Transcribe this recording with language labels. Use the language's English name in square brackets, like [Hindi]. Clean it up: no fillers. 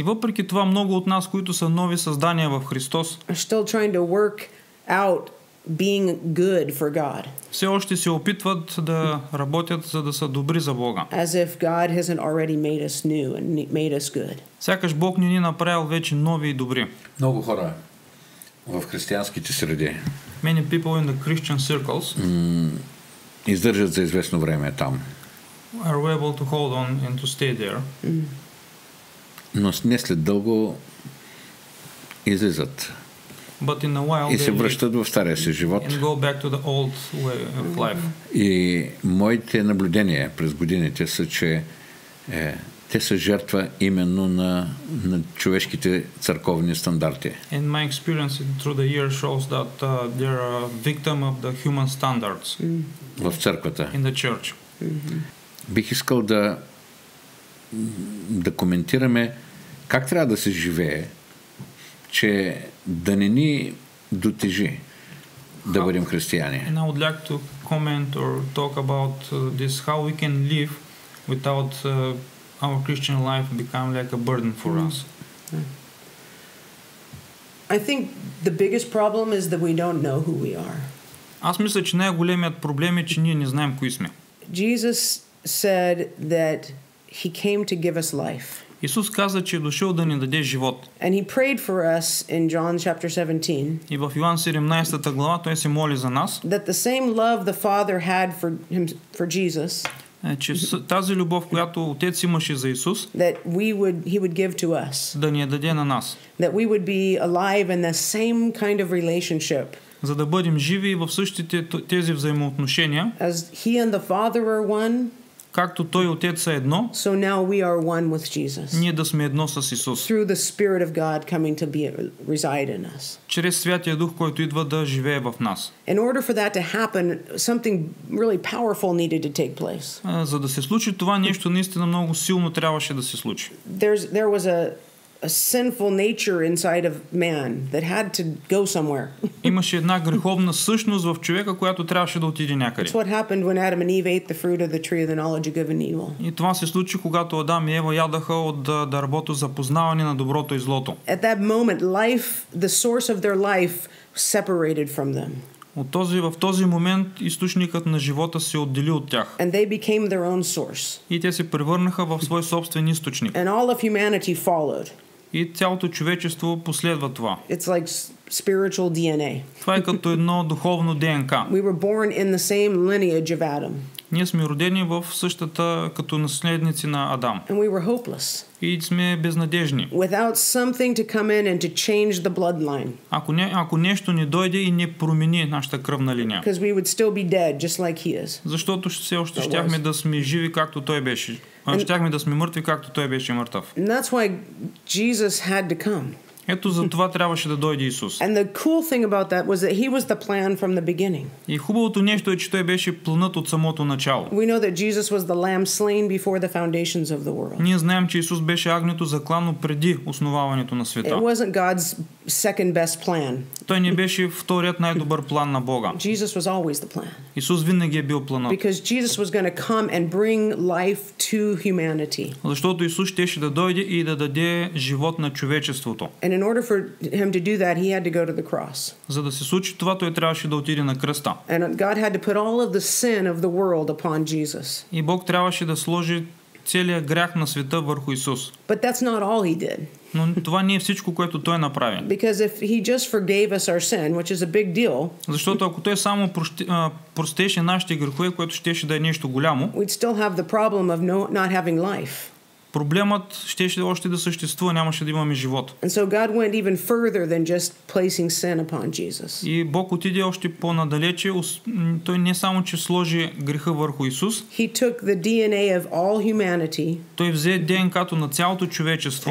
[Bulgarian] И въпреки това много от нас, които са нови създания в Христос, [English] are still trying to work out being good for God. [Bulgarian] Все още се опитват да работят, за да са добри за Бога. [English] As if God hasn't already made us new and made us good. [Bulgarian] Сякаш Бог ни направил вече нови и добри. Много хора в християнските среди. [English] Many people in the Christian circles. [Bulgarian] издържат за известно време там. [English] Are we able to hold on and to stay there? [Bulgarian] Но не след дълго излизат. [English] But in a while [Bulgarian] и се връщат в стария си живот. [English] And go back to the old way of life. [Bulgarian] И моите наблюдения през годините са, че те са жертва именно на човешките църковни стандарти. [English] And my experience through the years shows that they are a victim of the human standards. [Bulgarian] В църквата. [English] In the church. [Bulgarian] Бих искал да коментираме как трябва да се живее, че да не ни дотежи да бъдем християни. [English] And I would like to comment or talk about this, how we can live without our Christian life become like a burden for us. I think the biggest problem is that we don't know who we are. [Bulgarian] Аз мисля, че най-големият проблем е, че ние не знаем кои сме. [English] Jesus said that he came to give us life. [Bulgarian] Исус каза, че е дошъл да ни даде живот. [English] And he prayed for us in John chapter 17. [Bulgarian] И в Йоан 17-та глава той се моли за нас. [English] That the same love the Father had for him, for Jesus. [Bulgarian] Че тази любов, която Отец имаше за Исус, [English] that we would, he would give to us. [Bulgarian] Да ни я даде на нас. [English] That we would be alive in the same kind of relationship. [Bulgarian] За да бъдем живи в същите тези взаимоотношения. [English] As he and the Father are one. [Bulgarian] Както той и Отец са едно, [English] so now we are one with Jesus. [Bulgarian] Ние да сме едно с Исус. [English] Through the Spirit of God coming to be, reside in us. [Bulgarian] Чрез Святия Дух, който идва да живее в нас. [English] In order for that to happen, something really powerful needed to take place. [Bulgarian] За да се случи това нещо, наистина много силно трябваше да се случи. [English] There was a sinful nature inside of man that had to go somewhere. [Bulgarian] Имаше една греховна същност в човека, която трябваше да отиде някъде. [English] That's what happened when Adam and Eve ate the fruit of the tree of the knowledge of good and evil. [Bulgarian] И това се случи, когато Адам и Ева ядаха от дървото за познаване на доброто и злото. [English] At that moment, life, the source of their life, separated from them. [Bulgarian] В този момент източникът на живота се отдели от тях. [English] And they became their own source. [Bulgarian] И те се превърнаха в свой собствен източник. [English] And all of humanity followed. [Bulgarian] И цялото човечество последва това. [English] It's like spiritual DNA. [Bulgarian] Това е като едно духовно ДНК. [English] We were born in the same lineage of Adam. [Bulgarian] Ние сме родени в същата като наследници на Адам. [English] And we were hopeless. [Bulgarian] И сме безнадежни. [English] Without something to come in and to change the bloodline. [Bulgarian] Ако нещо не дойде и не промени нашата кръвна линия. [English] Because we would still be dead just like he is. [Bulgarian] Защото все още щяхме да сме живи както той беше. Щяхме да сме мъртви както той беше мъртъв. [English] And that's why Jesus had to come. [Bulgarian] Ето за това трябваше да дойде Исус. [English] And the cool thing about that was that he was the plan from the beginning. [Bulgarian] И хубавото нещо е, че той беше планът от самото начало. [English] We know that Jesus was the lamb slain before the foundations of the world. [Bulgarian] Ние знаем, че Исус беше агнето заклано преди основаването на света. [English] It wasn't God's second best plan. [Bulgarian] Той не беше вторият най-добър план на Бога. [English] Jesus was always the plan. [Bulgarian] Исус винаги е бил планът. [English] Because Jesus was going to come and bring life to humanity. [Bulgarian] Защото Исус щеше да дойде и да даде живот на човечеството. [English] And in order for him to do that, he had to go to the cross. [Bulgarian] За да се случи това, той трябваше да отиде на кръста. [English] And God had to put all of the sin of the world upon Jesus. [Bulgarian] И Бог трябваше да сложи целият грях на света върху Исус. [English] But that's not all he did. [Bulgarian] Но това не е всичко, което той направи. [English] Because if he just forgave us our sin, which is a big deal. [Bulgarian] Защото ако той само простеше нашите грехове, което щеше да е нещо голямо. [English] We'd still have the problem of not having life. [Bulgarian] Проблемът щеше още да съществува, нямаше да имаме живот. [English] And so God went even further than just placing sin upon Jesus. [Bulgarian] И Бог отиде още по-надалече. Той не само че сложи греха върху Исус. [English] He took the DNA of all humanity. [Bulgarian] Той взе ДНК-то на цялото човечество.